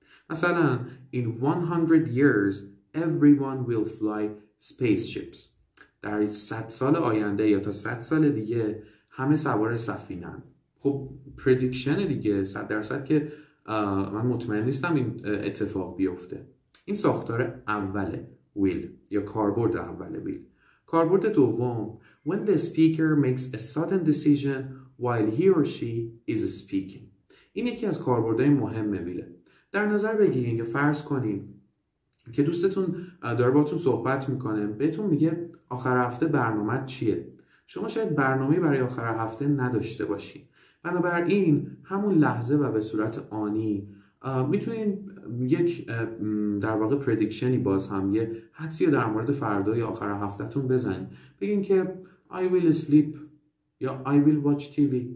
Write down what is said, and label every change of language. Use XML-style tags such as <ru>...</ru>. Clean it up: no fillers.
<en>مثلا in 100 years everyone will fly spaceships.</en> <fa>در 100 سال آینده یا تا 100 سال دیگه همه سوار سفینه‌ان. خب prediction دیگه 100% که من مطمئن نیستم این اتفاق بیفته. این ساختار اوله will یا کاربرد اوله will. کاربرد دوم</fa> <en>when the speaker makes a sudden decision while he or she is speaking.</en> <fa>این یکی از کاربردهای مهمه ویله. در نظر بگیرین یا فرض کنین که دوستتون داره باهاتون صحبت میکنه، بهتون میگه آخر هفته برنامه چیه. شما شاید برنامه برای آخر هفته نداشته باشین، بنابراین همون لحظه و به صورت آنی میتونین یک در واقع پردیکشنی باز هم یه حدسی در مورد فردا یا آخر هفتهتون بزنین، بگین که</fa> <en>I will sleep</en> <fa>یا</fa> <en>I will watch TV.</en>